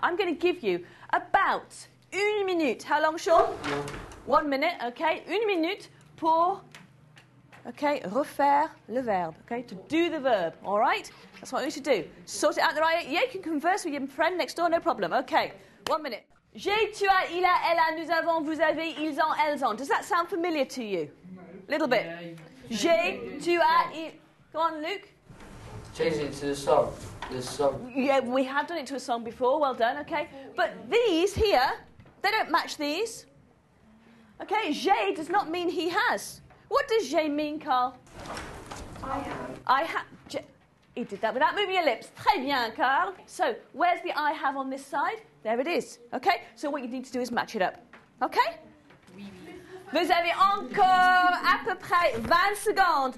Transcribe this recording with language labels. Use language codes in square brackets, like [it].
[en] I'm going to give you about [fr] une minute. [en] How long, Sean? Yeah. 1 minute, okay. [fr] Une minute pour... [en] Okay, [fr] refaire le verbe, [en] okay, to do the verb, all right? That's what we need to do. Sort it out the right way. Yeah, you can converse with your friend next door, no problem. Okay, 1 minute. [fr] J'ai, tu as, il a, elle a, nous avons, vous avez, ils ont, elles ont. [en] Does that sound familiar to you? No. Little bit. Yeah. [fr] J'ai, tu as, il... [en] Go on, Luke. Change it to the song. This song. Yeah, we have done it to a song before, well done, okay. But these here, they don't match these. Okay, j'ai does not mean he has. What does j'ai mean, Carl? I have. He did that without moving your lips. [fr] Très bien, [en] Carl. So, where's the I have on this side? There it is. Okay? So what you need to do is match it up. Okay? [fr] Oui, oui. Vous avez encore à peu près 20 secondes.